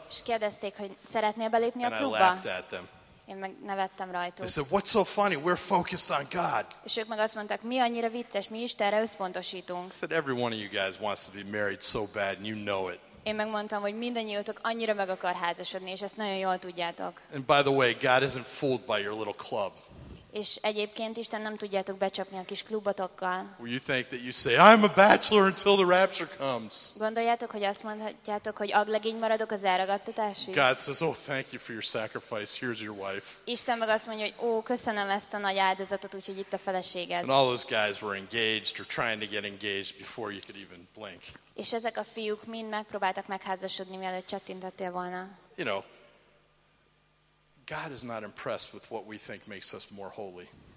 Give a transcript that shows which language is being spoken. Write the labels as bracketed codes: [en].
[hu] És kérdezték, hogy szeretnél belépni a klubba? [en] And I laughed at them. [hu] Én meg nevettem rajtuk. [en] They said, what's so funny? We're focused on God. [hu] És ők meg azt mondták, mi annyira vicces, mi Istenre összpontosítunk. [en] I said, every one of you guys wants to be married so bad, and you know it. [hu] Én megmondtam, hogy mindannyiótok annyira meg akar házasodni, és ezt nagyon jól tudjátok. [en] And by the way, God isn't fooled by your little club. [hu] És egyébként Isten nem tudjátok becsapni a kis klubotokkal. [en] Well, you think that you say, I'm a bachelor until the rapture comes. [hu] Gondoljátok, hogy azt mondhatjátok, hogy aglegény maradok az elragadtatásig? [en] God says, oh, thank you for your sacrifice, here's your wife. [hu] Isten meg azt mondja, hogy ó, köszönöm ezt a nagy áldozatot, úgyhogy itt a feleséged. [en] And all those guys were engaged or trying to get engaged before you could even blink. [hu] És ezek a fiúk mind megpróbáltak megházasodni, mielőtt csattintottél volna. [en] You know, God is not impressed with what we think makes us more holy.